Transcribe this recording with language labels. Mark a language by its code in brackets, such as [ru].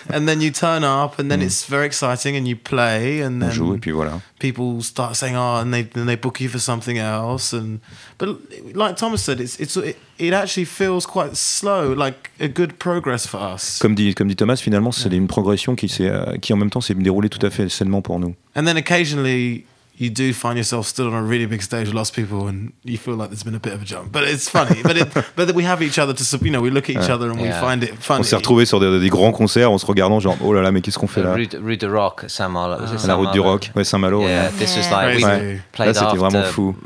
[en] And then you turn up, and then it's very exciting, and you play, and [fr] on [en] then [fr] joue, et puis voilà. [en] People start saying, "Oh," and they book you for something else, and but like Thomas said, it actually feels quite slow, like a good progress for us. [fr] Comme dit Thomas, finalement, c'est une progression qui en même temps s'est déroulée tout à fait sainement pour nous. [en] And then occasionally. You do find yourself stood on a really big stage with lots of people, and you feel like there's been a bit of a jump. But it's funny. But we have each other to, you know, we look at each other and we find it funny. [fr] On s'est retrouvés sur des grands concerts en se regardant, genre, oh là là, mais qu'est-ce qu'on fait là? Rue du Rock, Saint-Malo. La route du Rock, ouais, Saint-Malo. [en] Yeah, this is like we played là, after, [fr] vraiment fou.